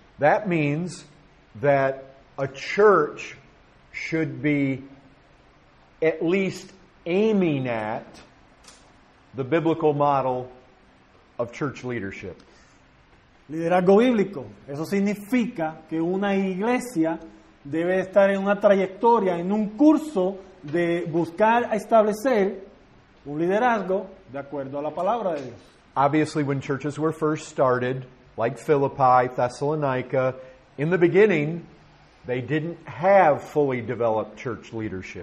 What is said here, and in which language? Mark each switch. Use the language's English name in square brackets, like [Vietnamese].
[English] That means that a church should be at least aiming at the biblical model of church leadership. [Spanish] Liderazgo bíblico. Eso significa que una iglesia debe estar en una trayectoria, en un curso de buscar establecer un liderazgo de acuerdo a la palabra de Dios. [English] Obviously, when churches were first started, like Philippi, Thessalonica, in the beginning, they didn't have fully developed church leadership.